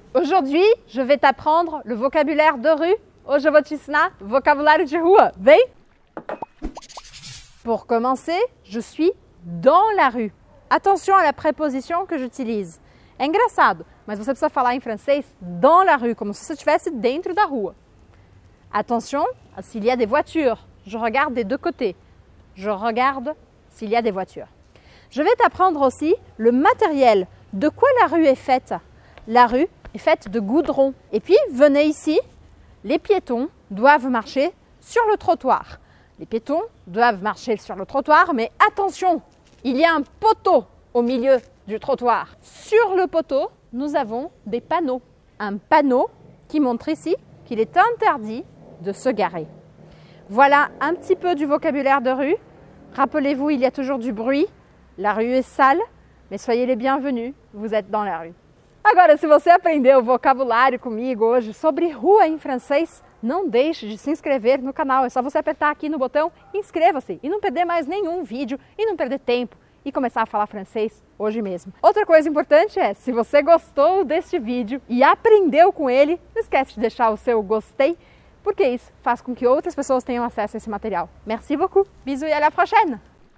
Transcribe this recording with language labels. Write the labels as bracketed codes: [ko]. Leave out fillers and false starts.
[fr] Aujourd'hui, je vais t'apprendre le vocabulaire de rue. [pt] Hoje vou te ensinar vocabulário de rua. Vem! [fr] Pour commencer, je suis dans la rue. Attention à la préposition que j'utilise. [pt] É engraçado, mas você precisa falar em francês [fr] dans la rue, [pt] como se você estivesse dentro da rua. [fr] Attention, s'il y a des voitures. Je regarde des deux côtés. Je regarde s'il y a des voitures. Je vais t'apprendre aussi le matériel. De quoi la rue est faite? La rue est faite de goudron. Et puis, venez ici, les piétons doivent marcher sur le trottoir. Les piétons doivent marcher sur le trottoir, mais attention, il y a un poteau au milieu du trottoir. Sur le poteau, nous avons des panneaux. Un panneau qui montre ici qu'il est interdit de se garer. Voilà un petit peu du vocabulaire de rue. Rappelez-vous, il y a toujours du bruit. La rue est sale, mais soyez les bienvenus, vous êtes dans la rue. [pt] Agora, se você aprendeu o vocabulário comigo hoje sobre rua em francês, não deixe de se inscrever no canal. É só você apertar aqui no botão inscreva-se e não perder mais nenhum vídeo e não perder tempo e começar a falar francês hoje mesmo. Outra coisa importante é, se você gostou deste vídeo e aprendeu com ele, não esquece de deixar o seu gostei, porque isso faz com que outras pessoas tenham acesso a esse material. [fr] Merci beaucoup, bisous [pt] e [fr] à la prochaine!